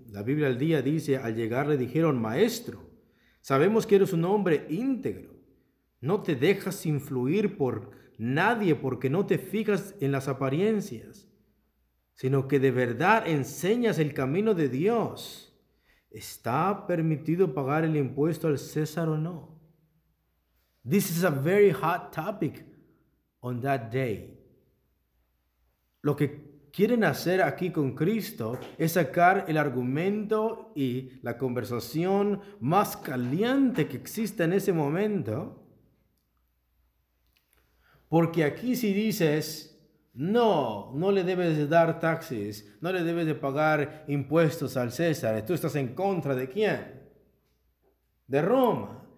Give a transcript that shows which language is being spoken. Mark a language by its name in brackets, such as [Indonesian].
[Spanish] La Biblia al día dice, al llegar le dijeron, Maestro, sabemos que eres un hombre íntegro. No te dejas influir por nadie porque no te fijas en las apariencias, sino que de verdad enseñas el camino de Dios. ¿Está permitido pagar el impuesto al César o no? [English] This is a very hot topic on that day. [Spanish] Lo que quieren hacer aquí con Cristo es sacar el argumento y la conversación más caliente que existe en ese momento. Porque aquí si dices, no, no le debes de dar taxes, no le debes de pagar impuestos al César, tú estás en contra de quién, de Roma.